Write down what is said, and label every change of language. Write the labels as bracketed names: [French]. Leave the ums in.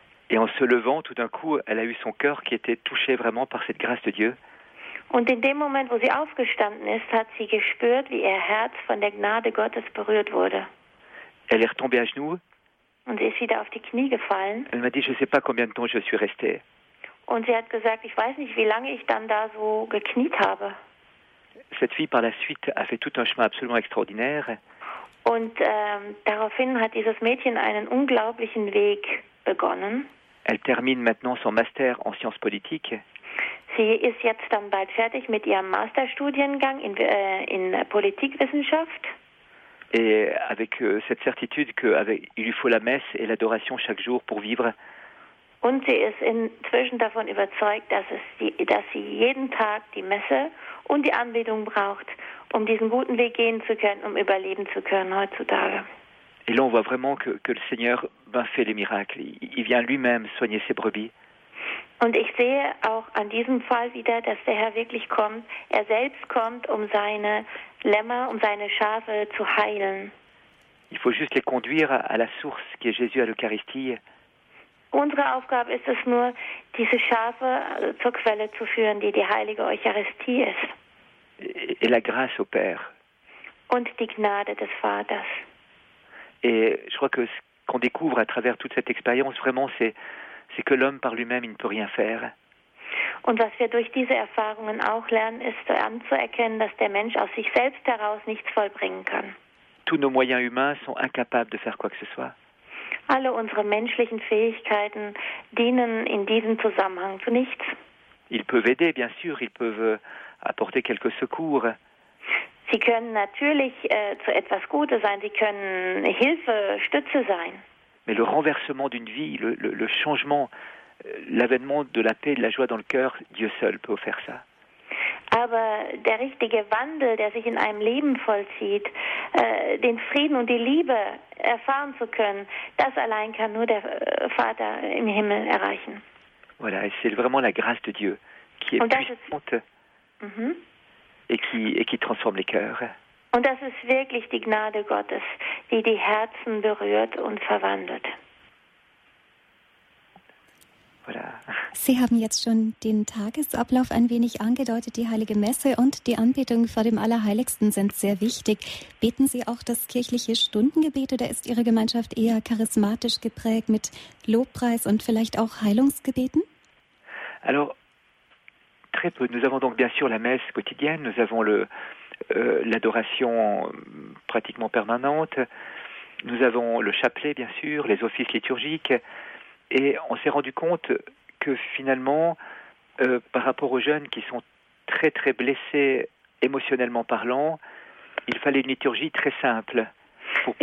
[French] Et en se levant, tout d'un coup, elle a eu son cœur qui était touché vraiment par cette grâce de Dieu. [German] Und in dem Moment, wo sie aufgestanden ist, hat sie gespürt, wie ihr Herz von der Gnade Gottes berührt wurde. [French] Elle est retombée à genoux, [German] Und sie ist wieder auf die Knie gefallen [French] elle m'a dit, je ne sais pas combien de temps je suis restée. [German] Und sie hat gesagt, ich weiß nicht, wie lange ich dann da so gekniet habe. [French] Cette fille, par la suite, a fait tout un chemin absolument extraordinaire. [German] Und ähm, daraufhin hat dieses Mädchen einen unglaublichen Weg begonnen. [French] Elle termine maintenant son master en sciences politiques [German] Sie ist jetzt dann bald fertig mit ihrem Masterstudiengang in, äh, in Politikwissenschaft. [French] et avec euh, cette certitude qu'il lui faut la messe et l'adoration chaque jour pour vivre. [German] Und sie ist inzwischen davon überzeugt, dass, es die, dass sie jeden Tag die Messe und die Anbetung braucht, um diesen guten Weg gehen zu können, um überleben zu können heutzutage. [French] Et là, on voit vraiment que, que le Seigneur ben, fait les miracles. Il, il vient lui-même soigner ses brebis. [German] Und ich sehe auch an diesem Fall wieder, dass der Herr wirklich kommt. Er selbst kommt, um seine Lämmer, um seine Schafe zu heilen. [French] Il faut juste les conduire à, à la source qui est Jésus à l'Eucharistie. [German] Unsere Aufgabe ist es nur, diese Schafe zur Quelle zu führen, die die heilige Eucharistie ist [French] Et, et la grâce au Père. [German] und die Gnade des Vaters. [French] Et je crois que ce qu'on découvre à travers toute cette expérience, vraiment, c'est c'est que l'homme par lui-même, il ne peut rien faire. [German] Und was wir durch diese Erfahrungen auch lernen, ist anzuerkennen, dass der Mensch aus sich selbst heraus nichts vollbringen kann. [French] Tous nos moyens humains sont incapables de faire quoi que ce soit. [German] Alle unsere menschlichen Fähigkeiten dienen in diesem Zusammenhang zu nichts. [French] Ils peuvent aider, bien sûr, ils peuvent euh, apporter quelques secours, [German] Sie können natürlich äh, zu etwas Gutes sein, Sie können Hilfe, Stütze sein. [French] Mais le renversement d'une vie, le, le, le changement, euh, l'avènement de la paix et de la joie dans le cœur, Dieu seul peut faire ça. [German] Aber der richtige Wandel, der sich in einem Leben vollzieht, äh, den Frieden und die Liebe erfahren zu können, das allein kann nur der äh, Vater im Himmel erreichen. [French] Voilà, et c'est vraiment la grâce de Dieu qui est [German] Und das ist- [French] puissante Mhm. et qui, et qui transforme les cœurs. [German] Und das ist wirklich die Gnade Gottes, die die Herzen berührt und verwandelt. [French] Voilà. [German] Sie haben jetzt schon den Tagesablauf ein wenig angedeutet. Die Heilige Messe und die Anbetung vor dem Allerheiligsten sind sehr wichtig. Beten Sie auch das kirchliche Stundengebet oder ist Ihre Gemeinschaft eher charismatisch geprägt mit Lobpreis und vielleicht auch Heilungsgebeten? [French] Alors, très peu. Nous avons donc bien sûr la messe quotidienne, nous avons le, euh, l'adoration euh, pratiquement permanente, nous avons le chapelet bien sûr, les offices liturgiques, et on s'est rendu compte que finalement, euh, par rapport aux jeunes qui sont très très blessés émotionnellement parlant, il fallait une liturgie très simple pour